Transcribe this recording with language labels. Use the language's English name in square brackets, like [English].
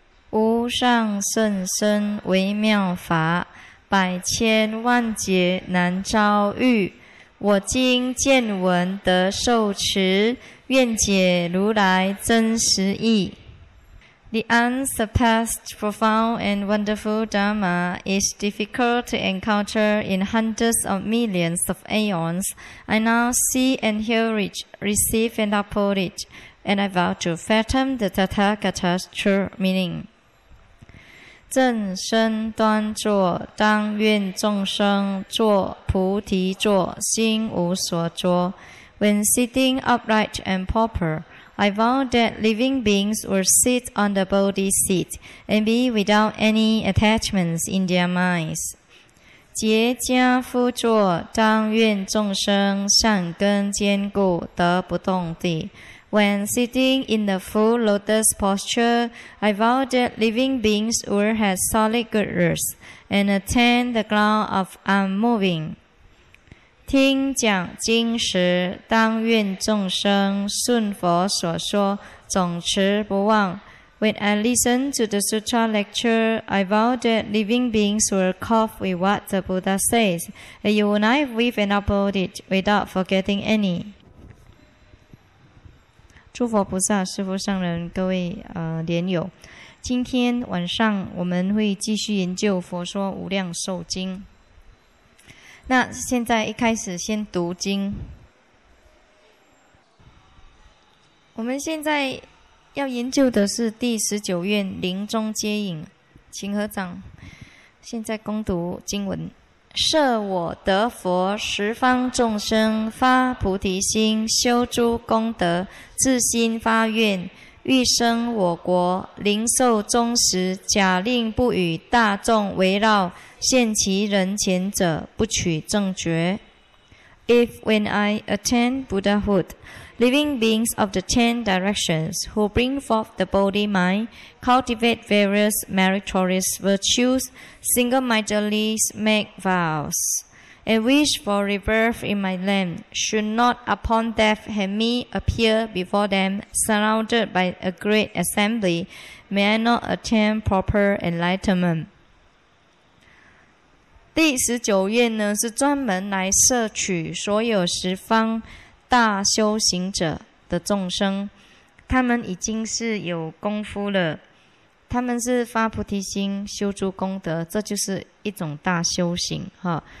[Chinese] 无上甚深微妙法，百千万劫难遭遇。我今见闻得受持，愿解如来真实义。 [English] The unsurpassed, profound, and wonderful Dharma is difficult to encounter in hundreds of millions of aeons. I now see and hear it, receive and uphold it, and I vow to fathom the Tathagata's true meaning. [Chinese] 正身端坐，当愿众生坐菩提座，心无所着。 [English] When sitting upright and proper,I vow that living beings will sit on the Bodhi seat and be without any attachments in their minds. [Chinese] 结跏趺坐，当愿众生善根坚固，得不动地。 [English] When sitting in the full lotus posture, I vow that living beings will have solid good roots and attain the ground of unmoving. [Chinese] 听讲经时，当愿众生顺佛所说，总持不忘。 [English] When I listen to the sutra lecture, I vow that living beings will cope with what the Buddha says, and unite with and uphold it without forgetting any. [Chinese] 诸佛菩萨、师父、上人、各位莲友，今天晚上我们会继续研究《佛说无量寿经》。那现在一开始先读经，我们现在要研究的是第十九愿临终接引，请合掌。现在恭读经文：设我得佛，十方众生发菩提心，修诸功德，自心发愿，欲生我国，临寿终时，假令不与大众围绕，现其人前者，不取正觉。 [English] If when I attain Buddhahood, living beings of the ten directions who bring forth the body mind, cultivate various meritorious virtues, single-mindedly make vows, and wish for rebirth in my land, should not upon death have me appear before them, surrounded by a great assembly, may I not attain proper enlightenment? [Chinese] 第十九愿呢，是专门来摄取所有十方大修行者的众生，他们已经是有功夫了，他们是发菩提心，修诸功德，这就是一种大修行哈。